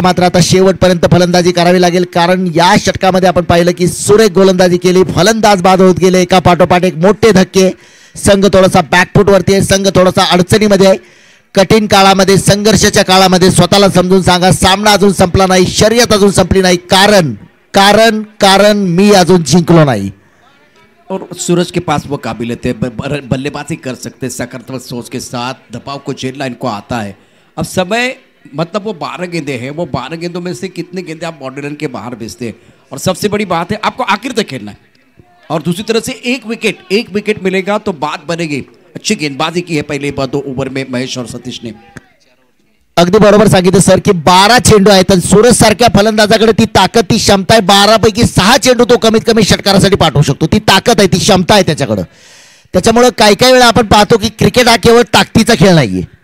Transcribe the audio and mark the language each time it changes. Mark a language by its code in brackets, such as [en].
[mr] मात्र आता शेवटपर्यंत फलंदाजी करावी लागेल, कारण या षटकामध्ये आपण पाहिलं की सुरेख गोलंदाजी केली, फलंदाज बाद होत गेले एका पाठोपाठ एक मोठे धक्के। संघ थोडासा बॅकफूट वरती आहे, संघ थोडासा अडचणीमध्ये आहे, कठीण काळामध्ये संघर्षाच्या काळामध्ये स्वतःला समजून सांगा, सामना अजून संपला नाही, शर्यत अजून संपली नाही, कारण कारण कारण मी अजून जिंकलो नाही। [hi] और सूरज के पास वो काबिलियत है, बल्लेबाजी कर सकते सकारात्मक सोच के साथ, दबाव को झेलना इनको आता है। अब समय मतलब वो 12 गेंदे हैं, वो 12 गेंदों में से कितने गेंदे आप बाउंड्री लाइन के बाहर भेजते हैं, और सबसे बड़ी बात है आपको आखिर तक खेलना है। और दूसरी तरफ से एक विकेट मिलेगा तो बात बनेगी। अच्छी गेंदबाजी की है पहले दो ओवर में महेश और सतीश ने, [mr] अगदी बरोबर सांगितलं सर की 12 चेंडू आहेत, सूरज सारख्या फलंदाजाकडे ती ताकद ती क्षमता आहे, 12 पैकी 6 चेंडू तो कमीत कमी षटकारासाठी पाठवू शकतो, ती ताकद आहे, ती क्षमता आहे त्याच्याकडं। त्याच्यामुळे काही काही वेळा आपण पाहतो की क्रिकेट हा केवळ ताकदीचा खेळ नाहीये।